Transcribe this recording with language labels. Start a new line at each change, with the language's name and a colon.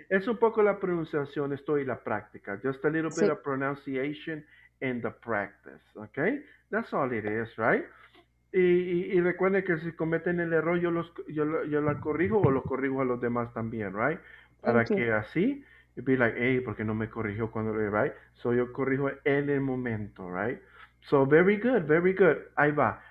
Spanish: Es un poco la pronunciación, estoy en la práctica.
English: Just a little bit of pronunciation and the practice. Okay. That's all it is, right?
Spanish: Y recuerden que si cometen el error, yo la corrijo o lo corrijo a los demás también, right? Para que así,
English: be like, hey,
Spanish: ¿por qué no me corrigió cuando le, right? So yo corrijo en el momento, right?
English: So very good.
Spanish: Ahí va.